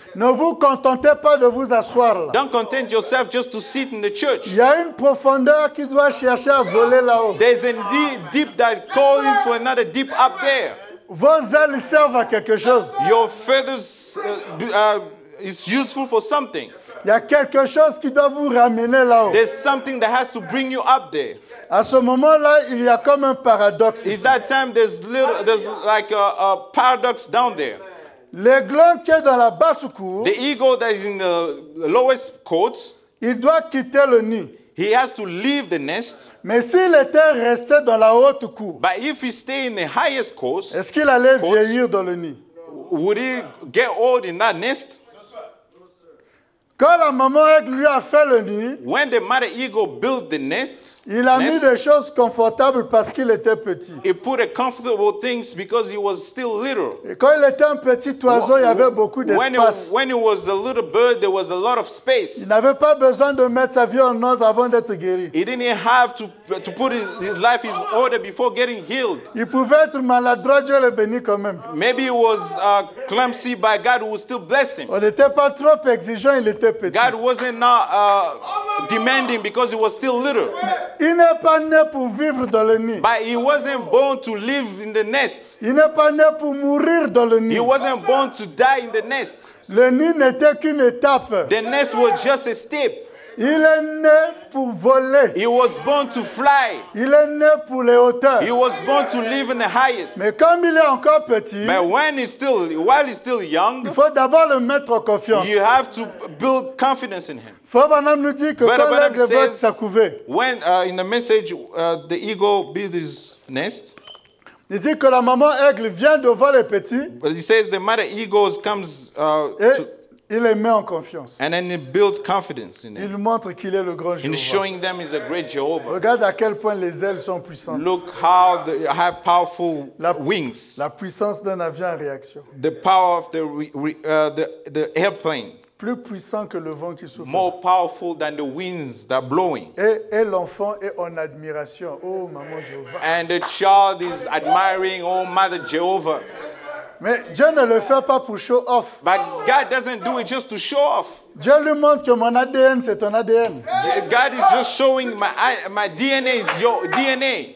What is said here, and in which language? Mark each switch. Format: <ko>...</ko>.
<fr>Ne vous contentez pas de vous asseoir là.</fr> <en>Don't content yourself just to sit in the church.</en> <fr>Il y a une profondeur qui doit chercher à voler là-haut.</fr> <en>There's a deep that calling for another deep up there.</en> <fr>Vos ailes servent à quelque chose.</fr> <en>Your feathers is useful for something.</en> <fr>Il y a quelque chose qui doit vous ramener là-haut.</fr> <en>There's something that has to bring you up there.</en> <fr>À ce moment-là, il y a comme un paradoxe.</fr> <en>At that time, there's like a paradox down there.</en> <fr>L'aiglon qui est dans la basse cour,</fr> <en>the eagle that is in the lowest court,</en> <fr>il doit quitter le nid.</fr> <en>He has to leave the nest.</en> <fr>Mais s'il était resté dans la haute cour,</fr> <en>but if he stayed in the highest court,</en> <fr>est-ce qu'il allait court, vieillir dans le nid?</fr> <en>Would he get old in that nest?</en> <fr>Quand la maman aigle lui a fait le nid,</fr> <en>when the mother eagle built the net,</en> <fr>il a mis des choses confortables parce qu'il était petit.</fr> <en>He put a comfortable things because he was still little.</en> <fr>Et quand il était un petit oiseau, il y avait beaucoup d'espace.</fr> <en>When he was a little bird, there was a lot of space.</en> <fr>Il n'avait pas besoin de mettre sa vie en ordre avant d'être guéri.</fr> <en>He didn't have to put his life in order before getting healed.</en> <fr>Il pouvait être maladroit, Dieu le bénit quand même.</fr> <en>Maybe he was clumsy, but God would still bless him.</en> <fr>On n'était pas trop exigeant, il était.</fr> <en>God wasn't demanding because he was still little.</en> <fr>Il n'est pas né pour vivre dans le nid.</fr> <en>But he wasn't born to live in the nest.</en> <fr>Il n'est pas né pour mourir dans le nid.</fr> <en>He wasn't born to die in the nest.</en> <fr>Le nid n'était qu'une étape.</fr> <en>The nest was just a step.</en> <fr>Il est né pour voler.</fr> <en>He was born to fly.</en> <fr>Il est né pour les hauteurs.</fr> <en>He was born to live in the highest.</en> <fr>Mais comme il est encore petit,</fr> <en>but when he's still young,</en> <fr>il faut d'abord le mettre en confiance.</fr> <en>You have to build confidence in him.</en> <fr>Fabanam nous dit que quand l'aigle veut sa couvée,</fr> <en>when in the message the eagle builds his nest,</en> <fr>il dit que la maman aigle vient de voler petit.</fr> <en>But he says the mother eagle comes.</en> <fr>Il les met en confiance.</fr> <en>And then he builds confidence in him.</en> <fr>Il montre qu'il est le grand Jéhovah.</fr> <en>In showing them he's a great Jehovah.</en> <fr>Regarde à quel point les ailes sont puissantes.</fr> <en>Look how they have powerful wings.</en> <fr>La puissance d'un avion en réaction.</fr> <en>The power of the airplane.</en> <fr>Plus puissant que le vent qui souffle.</fr> <en>More powerful than the winds that are blowing.</en> <fr>Et l'enfant est en admiration. Oh, maman Jéhovah.</fr> <en>And the child is admiring, oh, mother Jehovah.</en> <fr>Mais Dieu ne le fait pas pour show off.</fr> <en>But God doesn't do it just to show off.</en> <fr>Dieu lui montre que mon ADN c'est ton ADN.</fr> <en>God is just showing my DNA is your DNA.</en>